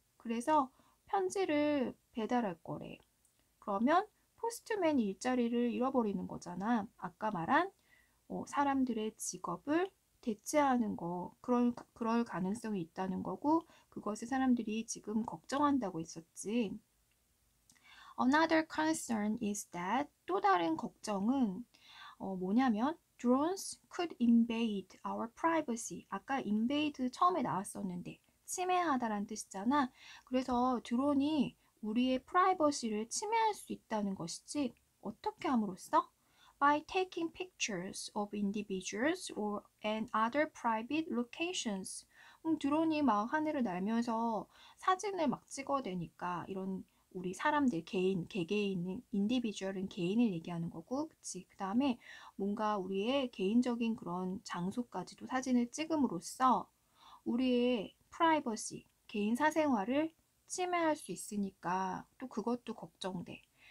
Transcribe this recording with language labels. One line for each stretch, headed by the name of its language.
Korean: 그래서 편지를 배달할 거래. 그러면 포스트맨 일자리를 잃어버리는 거잖아. 아까 말한 사람들의 직업을 대체하는 거. 그럴 가능성이 있다는 거고, 그것을 사람들이 지금 걱정한다고 했었지.
English: Another concern is that
Korean: 또 다른 걱정은 뭐냐면
English: drones could invade our privacy.
Korean: 아까 invade 처음에 나왔었는데 침해하다라는 뜻이잖아. 그래서 드론이 우리의 프라이버시를 침해할 수 있다는 것이지. 어떻게 함으로써?
English: By taking pictures of individuals or and other private locations.
Korean: 드론이 막 하늘을 날면서 사진을 막 찍어대니까 이런 우리 사람들, 개인, 개개인, 인디비주얼은 개인을 얘기하는 거고, 그치. 그 다음에 뭔가 우리의 개인적인 그런 장소까지도 사진을 찍음으로써 우리의 프라이버시, 개인 사생활을 침해할 수 있으니까 또 그것도 걱정돼.